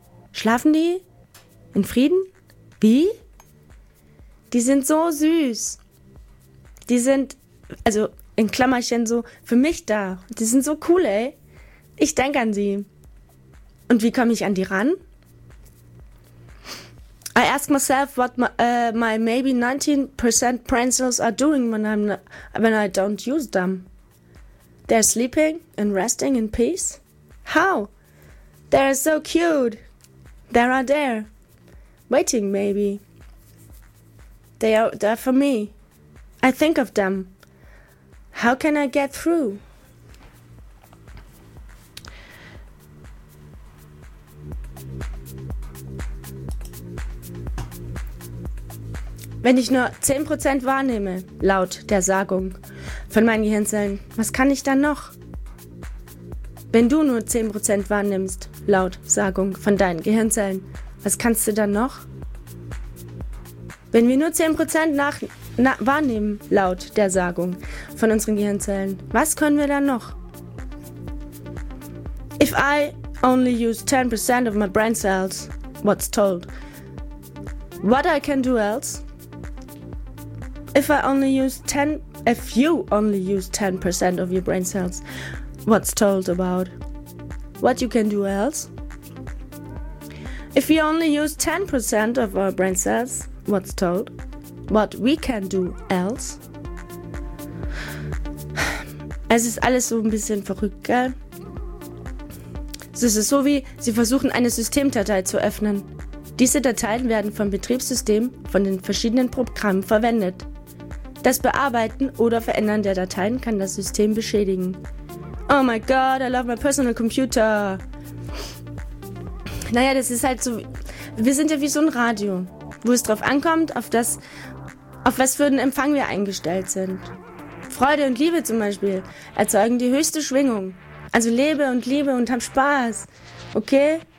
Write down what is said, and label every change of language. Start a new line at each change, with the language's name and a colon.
German: Schlafen die? In Frieden? Wie? Die sind so süß. Die sind, also, in Klammerchen so, für mich da. Die sind so cool, ey. Ich denke an sie. Und wie komme ich an die ran?
English: I ask myself what my maybe 19% brain cells are doing when I don't use them. They're sleeping and resting in peace. How? They're so cute. They are there. Waiting maybe. They are there for me. I think of them. How can I get through?
German: Wenn ich nur 10% wahrnehme, laut der Sagung von meinen Gehirnzellen, was kann ich dann noch? Wenn du nur 10% wahrnimmst, laut Sagung von deinen Gehirnzellen, was kannst du dann noch? Wenn wir nur 10% wahrnehmen, laut der Sagung von unseren Gehirnzellen, was können wir dann noch?
English: If I only use 10% of my brain cells, what's told? What I can do else? If you only use 10% of your brain cells, what's told about? What you can do else? If we only use 10% of our brain cells, what's told? What we can do else?
German: Es ist alles so ein bisschen verrückt, gell? Es ist so, wie sie versuchen, eine Systemdatei zu öffnen. Diese Dateien werden vom Betriebssystem von den verschiedenen Programmen verwendet. Das Bearbeiten oder Verändern der Dateien kann das System beschädigen.
English: Oh my God, I love my personal computer.
German: Naja, das ist halt so, wir sind ja wie so ein Radio, wo es drauf ankommt, auf was für einen Empfang wir eingestellt sind. Freude und Liebe zum Beispiel erzeugen die höchste Schwingung. Also lebe und liebe und hab Spaß, okay?